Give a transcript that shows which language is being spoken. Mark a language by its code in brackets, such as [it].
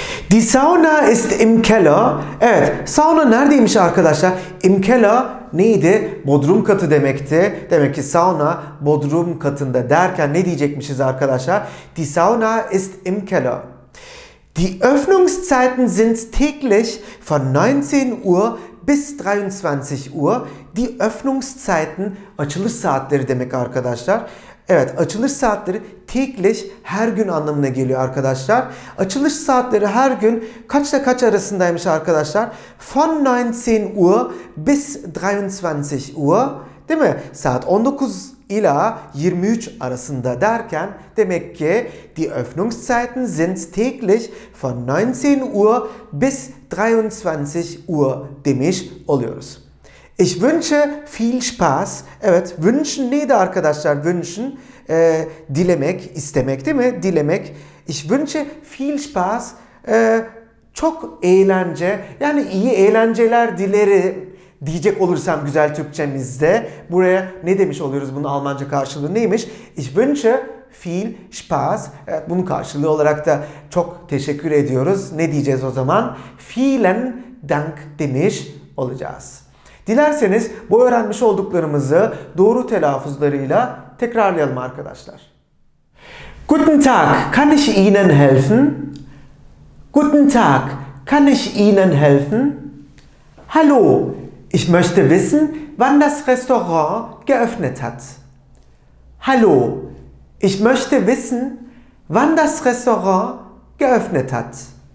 [de] Die Sauna ist im Keller. [tr] Evet, sauna neredeymiş arkadaşlar? [de] Im Keller [tr] neydi? Bodrum katı demekti. Demek ki sauna bodrum katında derken ne diyecekmişiz arkadaşlar? [de] Die Sauna ist im Keller. Die Öffnungszeiten sind täglich von 19:00 bis 23:00. Die Öffnungszeiten, [tr] açılış saatleri demek arkadaşlar. Evet, açılış saatleri täglich, her gün anlamına geliyor arkadaşlar. Açılış saatleri her gün kaçta kaç arasındaymış arkadaşlar? [de] Von 19:00 bis 23:00, [tr] değil mi? Saat 19 ila 23 arasında derken demek ki [de] die Öffnungszeiten sind täglich von 19 Uhr bis 23 Uhr demiş oluyoruz. Ich wünsche viel Spaß. [tr] Evet, wünschen neydi arkadaşlar? Wünschen, dilemek, istemek değil mi? Dilemek. [de] Ich wünsche viel Spaß. [tr] Çok eğlence, yani iyi eğlenceler dilerim diyecek olursam güzel Türkçemizde. Buraya ne demiş oluyoruz, bunun Almanca karşılığı neymiş? [de] Ich wünsche viel Spaß. [tr] Evet, bunun karşılığı olarak da çok teşekkür ediyoruz. Ne diyeceğiz o zaman? [de] Vielen Dank [tr] demiş olacağız. Dilerseniz bu öğrenmiş olduklarımızı doğru telaffuzlarıyla tekrarlayalım arkadaşlar. [de] Guten Tag, kann ich Ihnen helfen? Guten Tag, kann ich Ihnen helfen? Hallo, ich möchte wissen, wann das Restaurant geöffnet hat. Hallo, ich möchte wissen, wann das Restaurant geöffnet hat.